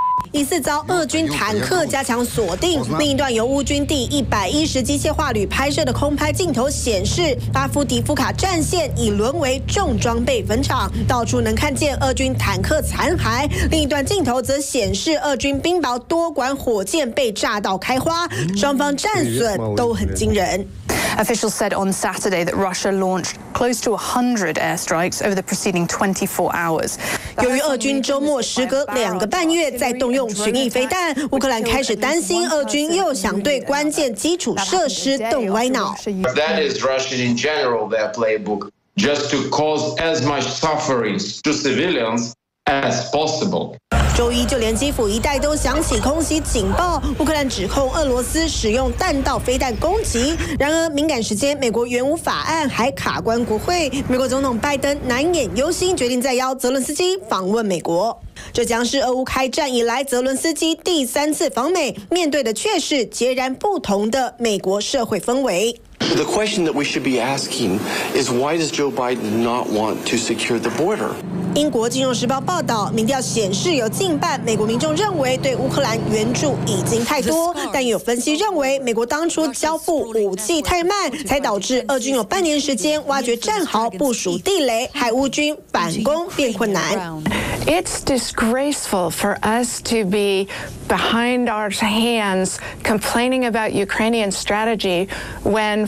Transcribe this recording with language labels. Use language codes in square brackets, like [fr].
[zh] 疑似遭俄军坦克加强锁定。另一段由乌军第110机械化旅拍摄的空拍镜头显示，阿夫迪夫卡战线已沦为重装备坟场，到处能看见俄军坦克残骸。另一段镜头则显示俄军冰雹多管火箭被炸到开花，双方战损都很惊人。 [en] Officials said on Saturday that Russia launched close to 100 airstrikes over the preceding 24 hours. [zh] 由于俄军周末时隔两个半月再动用巡弋飞弹，乌克兰开始担心俄军又想对关键基础设施动歪脑。 [en] That is Russia in general, their playbook, just to cause as much suffering to civilians as possible. [zh] 周一就连基辅一带都响起空袭警报，乌克兰指控俄罗斯使用弹道飞弹攻击。然而敏感时间，美国援乌法案还卡关国会，美国总统拜登难掩忧心，决定再邀泽伦斯基访问美国。这将是俄乌开战以来泽伦斯基第三次访美，面对的却是截然不同的美国社会氛围。 [en] The question that we should be asking is why does Joe Biden not want to secure the border? [zh] 英国金融时报报道，民调显示有近半美国民众认为对乌克兰援助已经太多，但有分析认为美国当初交付武器太慢，才导致俄军有半年时间挖掘战壕、部署地雷，害乌军反攻变困难。 [en] It's disgraceful for us to be behind our hands complaining about Ukrainian strategy when.